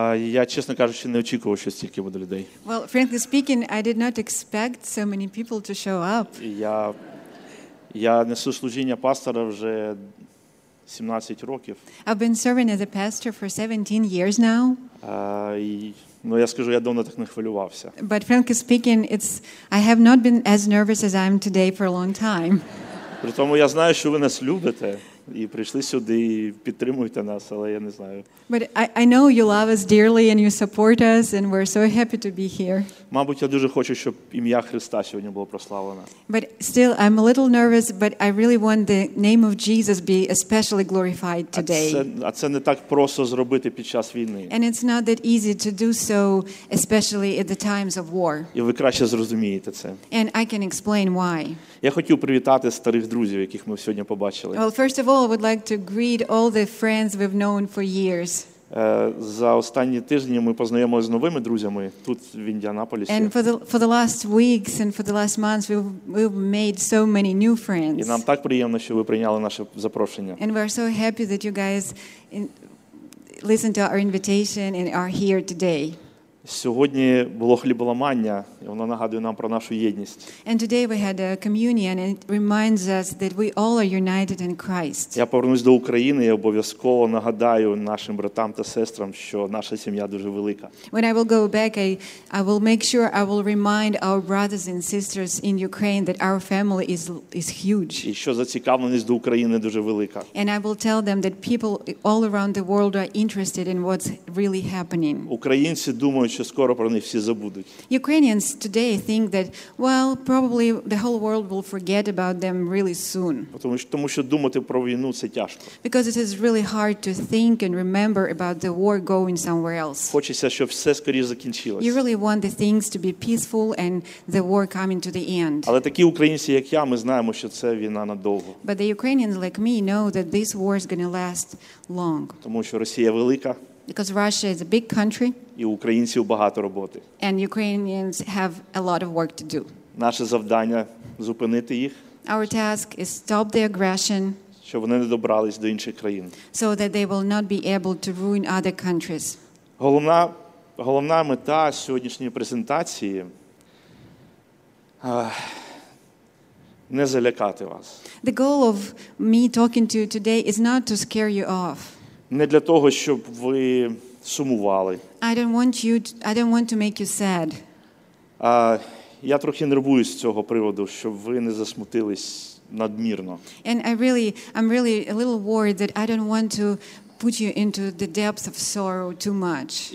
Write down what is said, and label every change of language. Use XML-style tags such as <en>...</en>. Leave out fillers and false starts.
<uk>Я, чесно кажучи, не очікував, що стільки буде людей.</uk> <en>Well, frankly speaking, I did not expect so many people to show up.</en> <uk>Я несу служіння пастора вже 17 років.</uk> <en>I've been serving as a pastor for 17 years now.</en> <uk>Ну, я скажу, я давно так не хвилювався.</uk> <en>But frankly speaking, it's I have not been as nervous as I am today for a long time.</en> <uk>При тому я знаю, що ви нас любите і прийшли сюди і підтримуєте нас, але я не знаю.</uk> <en>But I know you love us dearly and you support us and we're so happy to be here.</en> <uk>Мабуть, я дуже хочу, щоб ім'я Христа сьогодні було прославлено.</uk> <en>But still I'm a little nervous, but I really want the name of Jesus be especially glorified today.</en> <uk>А це не так просто зробити під час війни.</uk> <en>And it's not that easy to do so especially at the times of war.</en> <uk>І ви краще зрозумієте це.</uk> <en>And I can explain why.</en> <uk>Я хотів привітати старих друзів, яких ми сьогодні побачили.</uk> <en>Well, first of all, I would like to greet all the friends we've known for years.</en> <uk>За останні тижні ми познайомилися з новими друзями тут в Індіанаполісі.</uk> <en>And for the last weeks and for the last months we've made so many new friends.</en> <uk>І нам так приємно, що ви прийняли наше запрошення.</uk> <en>And we're so happy that you guys listened to our invitation and are here today.</en> <uk>Сьогодні було хліболамання, і воно нагадує нам про нашу єдність.</uk> <en>And today we had a communion and it reminds us that we all are united in Christ.</en> <uk>Я повернусь до України і обов'язково нагадаю нашим братам та сестрам, що наша сім'я дуже велика.</uk> <en>When I will go back, I will make sure I will remind our brothers and sisters in Ukraine that our family is huge.</en> <uk>І що зацікавленість до України дуже велика.</uk> <en>And I will tell them that people all around the world are interested in what's really happening.</en> <uk>Українці думають, що скоро про них всі забудуть.</uk> <en>Ukrainians today think that well, probably the whole world will forget about them really soon.</en> <uk>Тому що думати про війну це тяжко.</uk> <en>Because it is really hard to think and remember about the war going somewhere else.</en> <uk>Хочеться, щоб все скоріше закінчилось.</uk> <en>You really want the things to be peaceful and the war coming to the end.</en> <uk>Але такі українці, як я, ми знаємо, що це війна надовго.</uk> <en>But the Ukrainians like me know that this war is going to last long.</en> <uk>Тому що Росія велика.</uk> <en>Because Russia is a big country.</en> <uk>І українців багато роботи.</uk> <en>And Ukrainians have a lot of work to do.</en> <uk>Наше завдання – зупинити їх.</uk> <en>Our task is stop the aggression.</en> <uk>Щоб вони не добрались до інших країн.</uk> <en>So that they will not be able to ruin other countries.</en> <uk>Головна мета сьогоднішньої презентації – не залякати вас.</uk> <en>The goal of me talking to you today is not to scare you off.</en> <uk>Не для того, щоб ви сумували.</uk> <en>I don't want to make you sad.</en> <uk>Я трохи нервуюсь з цього приводу, щоб ви не засмутились надмірно.</uk> <en>And I'm really a little worried that I don't want to put you into the depths of sorrow too much.</en>